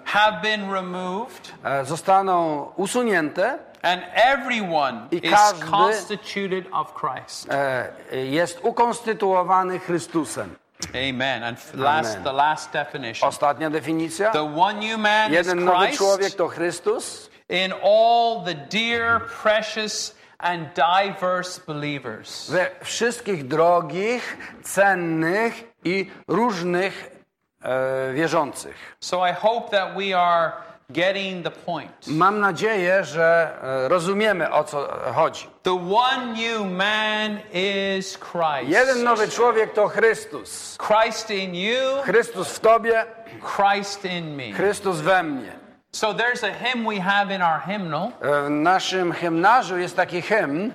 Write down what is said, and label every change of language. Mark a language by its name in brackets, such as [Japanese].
[English] Have been removed. [Polish] Zostaną usunięte. [English] And everyone is constituted of Christ. [Polish] Jest ukonstytuowany Chrystusem. [English] Amen. And last, Amen. The last definition. [Polish] Ostatnia definicja. [English] The one new man [Polish] jeden [English] is Christ. [Polish] Jeden nowy człowiek to Chrystus. [English] In all the dear, precious, and diverse believers. [Polish] We wszystkich drogich, cennych i różnych wierzących. [English] So I hope that we are. Getting the point. [Polish] Mam nadzieję, że rozumiemy, o co chodzi. [English] The one new man is Christ. [Polish] Jeden nowy człowiek to Chrystus. [English] Christ in you. [Polish] Chrystus w tobie. [English] Christ in me. [Polish] Chrystus we mnie. [English] So there's a hymn we have in our hymnal. [Polish] W naszym hymnarzu jest taki hymn.